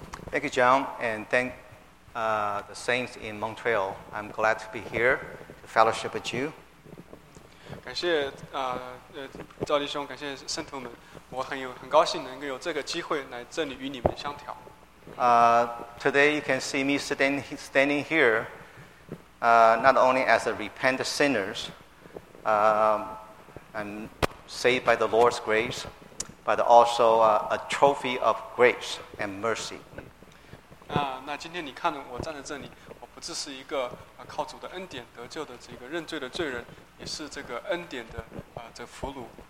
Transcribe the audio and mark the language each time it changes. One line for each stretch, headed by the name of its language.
English: Thank you, John, and thank the saints in Montreal. I'm glad to be here to fellowship with you.
Chinese: 感谢赵弟兄，感谢圣徒们，我很高兴能够有这个机会来这里与你们相调。
English: Today you can see me standing here, not only as a repentant sinners, I'm saved by the Lord's grace, but also a trophy of grace and mercy.
Chinese: 那今天你看我站在这里，我不只是一个靠主的恩典得救的这个认罪的罪人，也是这个恩典的这俘虏。